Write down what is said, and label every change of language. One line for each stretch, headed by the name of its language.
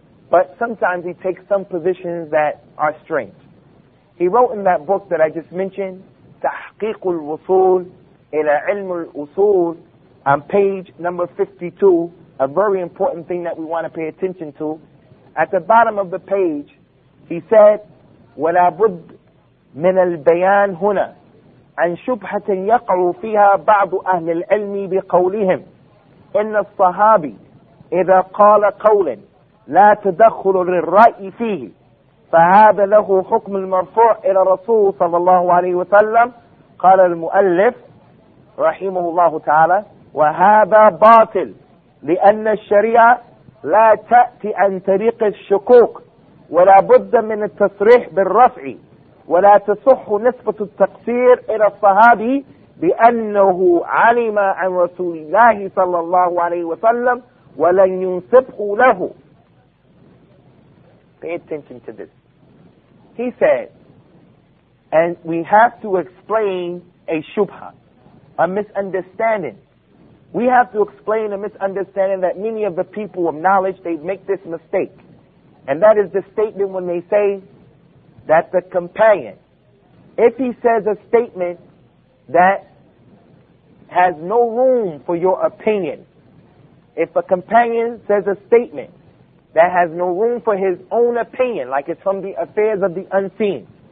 English: But sometimes he takes some positions that are strange. He wrote in that book that I just mentioned, Tahqiq al-Wusul ila ilm al-Usul, on page number 52, a very important thing that we want to pay attention to. At the bottom of the page, he said,
Arabic: وَلَا بُدْ مِنَ الْبَيَانِ هُنَا عَنْ شُبْحَةٍ يَقْعُ فِيهَا بَعْضُ أَهْلِ الْعِلْمِ بِقَوْلِهِمْ إِنَّ الصَّحَابِ إِذَا قَالَ قَوْلًا لا تدخل للرأي فيه فهذا له حكم المرفوع إلى رسول صلى الله عليه وسلم قال المؤلف رحمه الله تعالى وهذا باطل لأن الشريعة لا تأتي عن طريق الشكوك ولا بد من التصريح بالرفع ولا تصح نسبة التقصير إلى الصحابي بأنه علم عن رسول الله صلى الله عليه وسلم ولن ينسبه له.
English: Pay attention to this. He said, and we have to explain a shubha, a misunderstanding. We have to explain a misunderstanding that many of the people of knowledge, they make this mistake. And that is the statement when they say that the companion, if he says a statement that has no room for your opinion, if a companion says a statement that has no room for his own opinion, like it's from the affairs of the unseen.